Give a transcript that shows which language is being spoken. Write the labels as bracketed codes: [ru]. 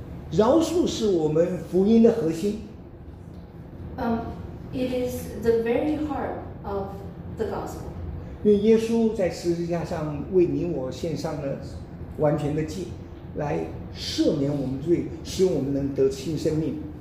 [zh] 饶恕是我们福音的核心。 [en] It is the very heart of the gospel. [zh] 因为耶稣在十字架上为你我献上了完全的祭，来赦免我们罪，使我们能得新生命。